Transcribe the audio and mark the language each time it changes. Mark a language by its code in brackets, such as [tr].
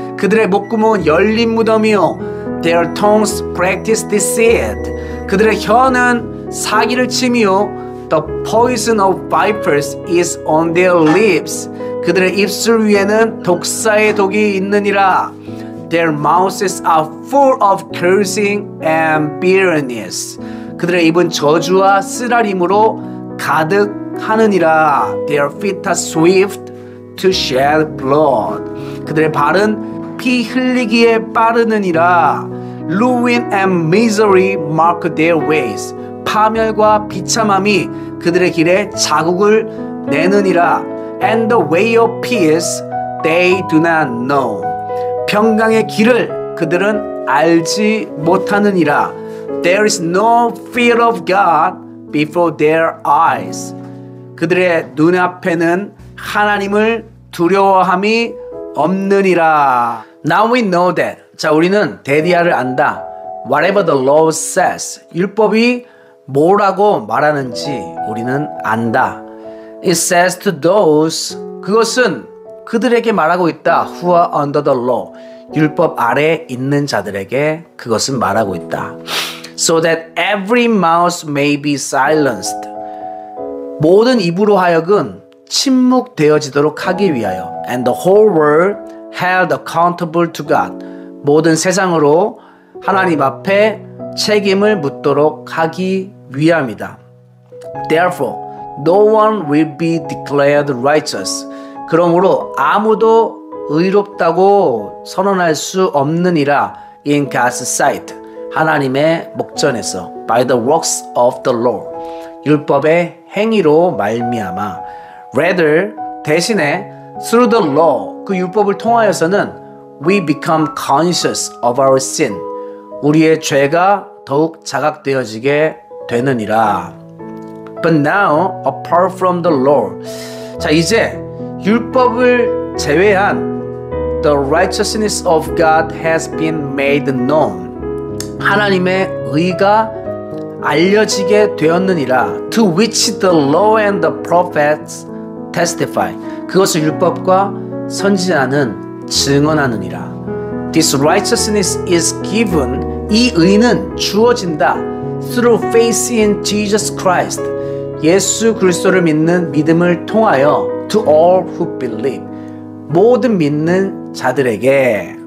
[ko] 그들의 목구멍은 열린 무덤이요 [en] Their tongues practice deceit. [ko] 그들의 혀는 사기를 치며 [en] The poison of vipers is on their lips. [ko] 그들의 입술 위에는 독사의 독이 있느니라. [en] Their mouths are full of cursing and bitterness. [ko] 그들의 입은 저주와 쓰라림으로 가득하느니라. [en] Their feet are swift to shed blood. [ko] 그들의 발은 피 흘리기에 빠르느니라. [en] Ruin and misery mark their ways. [ko] 파멸과 비참함이 그들의 길에 자국을 내느니라. [en] And the way of peace they do not know. [ko] 평강의 길을 그들은 알지 못하느니라. [en] There is no fear of God before their eyes. [ko] 그들의 눈앞에는 하나님을 두려워함이 없느니라. [en] Now we know that. [ko] 자, 우리는 대디아를 안다. [en] Whatever the law says. [ko] 율법이 뭐라고 말하는지 우리는 안다. [en] It says to those. [ko] 그것은 그들에게 말하고 있다. [en] Who are under the law. [ko] 율법 아래 있는 자들에게 그것은 말하고 있다. [en] So that every mouth may be silenced. [ko] 모든 입으로 하여금 침묵되어지도록 하기 위하여. [en] And the whole world held accountable to God. [ko] 모든 세상으로 하나님 앞에 책임을 묻도록 하기 위함이다. [en] Therefore, no one will be declared righteous. [ko] 그러므로 아무도 의롭다고 선언할 수 없느니라. [en] In God's sight, [ko] 하나님의 목전에서. [en] By the works of the law, [ko] 율법의 행위로 말미암아. [en] Rather, [ko] 대신에 [en] through the law, [ko] 그 율법을 통하여서는 [en] we become conscious of our sin. [ko] 우리의 죄가 더욱 자각되어지게 되느니라. [en] But now, apart from the law. [ko] 자, 이제 율법을 제외한 [en] the righteousness of God has been made known. [ko] 하나님의 의가 알려지게 되었느니라. [en] To which the law and the prophets testify. [ko] 그것을 율법과 선지자는 증언하느니라. [en] This righteousness is given. [ko] 이 의는 주어진다. [en] Through faith in Jesus Christ. [ko] 예수 그리스도를 믿는 믿음을 통하여. [en] To all who believe. [ko] 모든 믿는 자들에게.